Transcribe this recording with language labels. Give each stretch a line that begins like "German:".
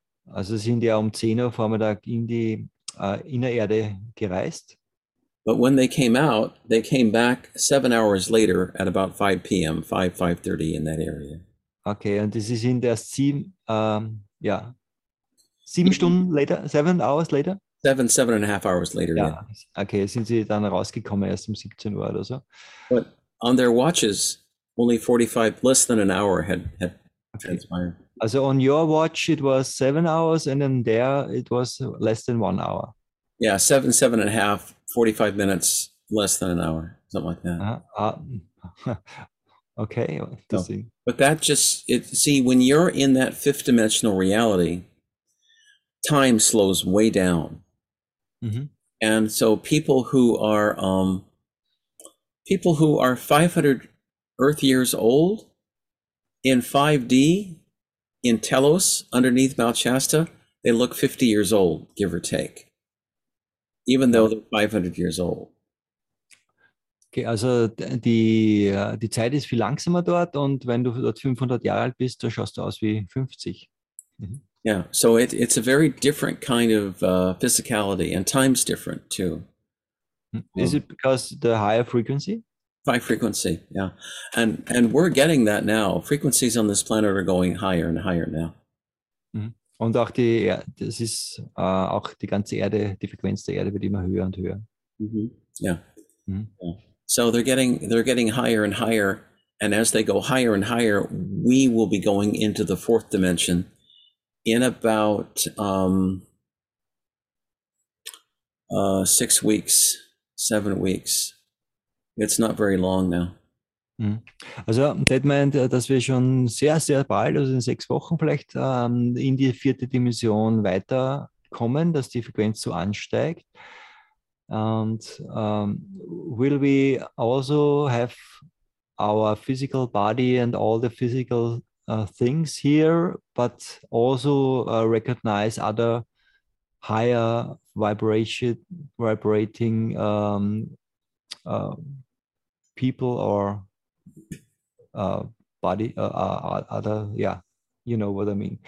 German: Also sind ja um 10 Uhr Vormittag in die Innererde gereist.
English: But when they came out, they came back 7 hours later at about 5 p.m., 5:30 in that area.
German: Okay, und sie sind erst
English: seven hours later? Seven and a half hours later, ja. Yeah.
German: Okay, sind sie dann rausgekommen erst um 17 Uhr oder so?
English: But on their watches, only 45, less than an hour had transpired. Okay. Also on your watch, it was 7 hours, and then there, it was less than 1 hour. Yeah, seven and a half, 45 minutes, less than an hour, something like that. Okay. So, but that just, it, see, when you're in that fifth dimensional reality, time slows way down. Mm-hmm. And so people who are 500 Earth years old in 5D in Telos underneath Mount Shasta, they look 50 years old, give or take, even though they're 500 years old.
German: Okay, also die Zeit ist viel langsamer dort, und wenn du dort 500 Jahre alt bist, dann schaust du aus wie 50. Mm-hmm.
English: Yeah, so it's a very different kind of physicality, and time's different too. Is it because the higher frequency? High frequency, yeah. And we're getting that now. Frequencies on this planet are going higher and higher now. Mm-hmm.
German: Und auch die Erde, das ist auch die ganze Erde, die Frequenz der Erde wird immer höher und höher. Mm-hmm. Yeah. Mm-hmm. Yeah.
English: So they're getting higher and higher, and as they go higher and higher, we will be going into the fourth dimension in about 6 weeks, 7 weeks. It's not very long now.
German: Also Ted meint, dass wir schon sehr, sehr bald, also in 6 Wochen vielleicht, in die vierte Dimension weiterkommen, dass die Frequenz so ansteigt.
English: And will we also have our physical body and all the physical things here, but also recognize other higher vibrating people or body, other, yeah, you know what I mean.